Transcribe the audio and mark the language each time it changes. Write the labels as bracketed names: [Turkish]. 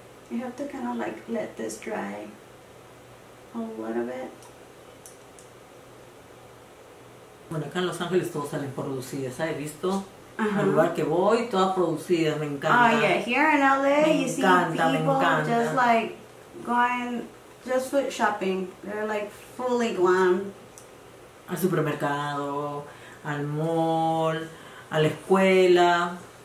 [English] You have to kind of like let this dry a little bit. [Spanish] Bueno, acá en Los Ángeles todos salen producidas, ¿sabes? ¿Visto? Al lugar que voy, todas producidas, me encanta. [English] Oh, yeah, here in LA, you see people just like going, just foot shopping. They're like fully glam. [Spanish] Al supermercado, al mall, a la escuela.